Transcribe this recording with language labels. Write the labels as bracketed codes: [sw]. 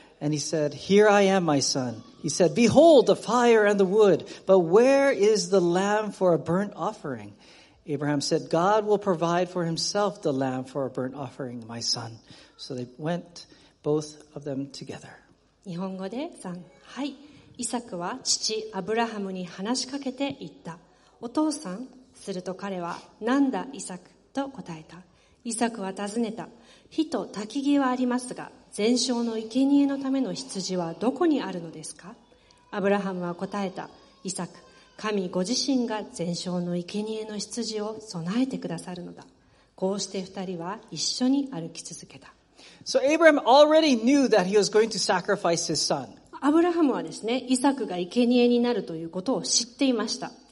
[en] And he said, Here I am, my son. He said, Behold the fire and the wood, but where is the lamb for a burnt offering? Abraham said, God will provide for himself the lamb for a burnt offering, my son. So they went, both of them together. [ja] 日本語で3。はい。イサクは父アブラハムに話しかけて言った。お父さん、すると彼は、なんだイサクと答えた。イサクは尋ねた。火と焚き木はありますが、全焼の生贄のための羊はどこにあるのですか？アブラハムは答えた。イサク、神ご自身が全焼の生贄の羊を備えてくださるのだ。こうして二人は一緒に歩き続けた。 [en] So Abraham already knew that he was going to sacrifice his son. [ja] アブラハムはですね、イサクが生贄になるということを知っていました。